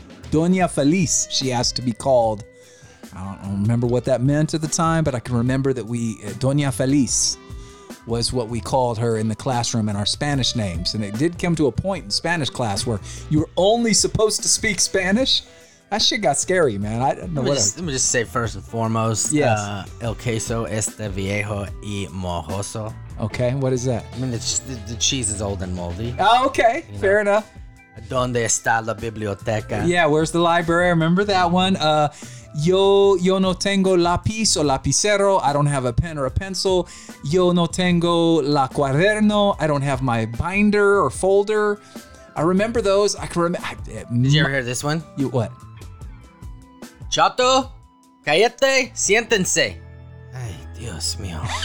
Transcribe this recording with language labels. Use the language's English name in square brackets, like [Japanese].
[English] Doña Feliz, she asked to be called. I don't remember what that meant at the time, but I can remember that we, Doña Feliz was what we called her in the classroom and our Spanish names. And it did come to a point in Spanish class where you were only supposed to speak Spanish. That shit got scary, man. I don't know what. Let me just say first and foremost, yes. [Spanish] El queso este viejo y mojoso. [English] Okay, what is that? I mean, the cheese is old and moldy. Oh, okay, you fair know. Enough. [Spanish] Donde está la biblioteca? [English] Yeah, where's the library? Remember that one? [Spanish] Yo no tengo lápiz o lapicero. [English] I don't have a pen or a pencil. [Spanish] Yo no tengo la cuaderno. [English] I don't have my binder or folder. I remember those. Did you ever hear this one? You what? [Spanish] Chato, cállate, siéntense. Ay, Dios mío.